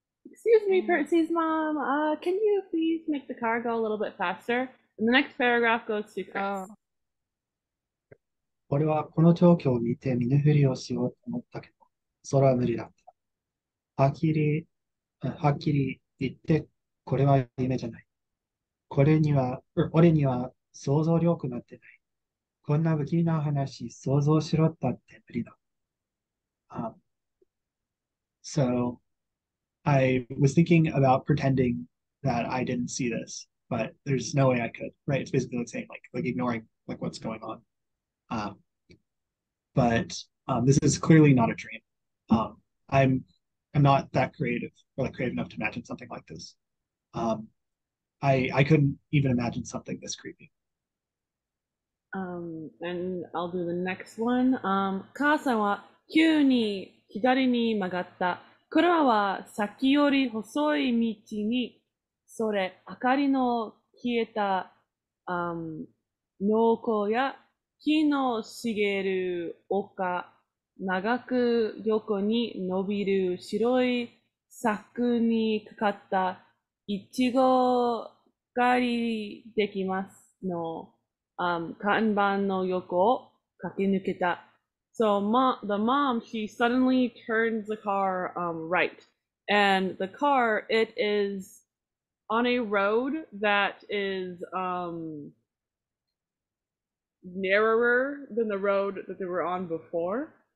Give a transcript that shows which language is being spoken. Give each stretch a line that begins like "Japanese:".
English: Excuse me, Percy's mom, can you please make the car go a little bit faster? And the next paragraph goes to Chris. Oh.
Japanese: 俺はこの状況を見て見ぬふりをしようと思ったけど、それは無理だった。はっきり言って、これは夢じゃない。俺には想像力なんてない。こんな不気味な話想像しろったって無理だ。
English: So, I was thinking about pretending that I didn't see this, but there's no way I could, right? It's basically like saying, like ignoring like what's going on. But this is clearly not a dream. I'm not that creative or like creative enough to imagine something like this. I couldn't even imagine something this creepy. And I'll do the next one.
Japanese: 母さんは急に左に曲がった。車は先より細い道に、それ、明かりの消えた、農耕や木の茂る丘、長く横に伸びる白い柵にかかったいちご狩りできますの。看板の横を駆け抜けた。
English: So the mom, she suddenly turns the car right. And the car, it is on a road that is narrower than the road that they were on before.